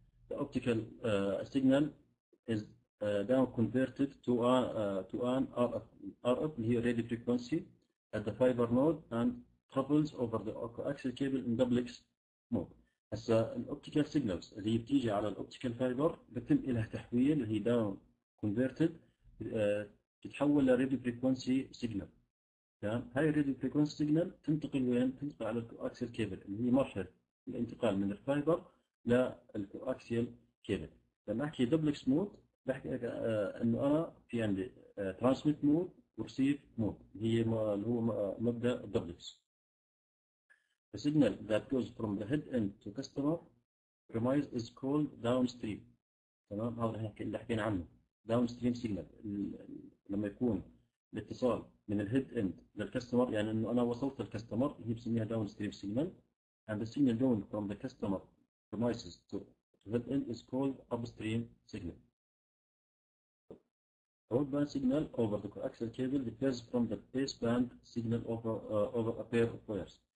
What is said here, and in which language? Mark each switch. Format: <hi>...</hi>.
<en>The optical signal is then converted to an RF, the radio frequency, at the fiber node and travels over the coaxial cable in duplex mode. As the optical signals</en> <ar>اللي بتيجي على</ar> <en>the optical fiber</en> <ar>بتم إلها تحويل اللي هي</ar> <en>down converted</en> <ar>تتحول لراديو</ar> <en>frequency signal.</en> <ar>تمام، هاي الراديو فريكونسي سيجنال تنتقل وين؟ تنتقل على الكوأكسيال كيبل اللي هي مرحلة الانتقال من الفايبر للكوأكسيال كيبل. لما احكي دوبلكس مود بحكي انه انا في عندي ترانسميت مود وريسيف مود هي اللي هو مبدا الدوبلكس.</ar> <en>The signal that goes from the head end to customer premise is called downstream.</en> <ar>تمام، هذا اللي حكينا عنه</ar> <en>downstream signal،</en> <ar>لما يكون الاتصال من الهيد اند للكستمر، يعني انه انا وصلت الكستمر هي بسميها داون ستريم سيجنال.</ar> <en>And the signal going from the customer premises to head end is called upstream signal. Outbound signal over the coaxial cable differs from the baseband signal over a pair of wires.</en>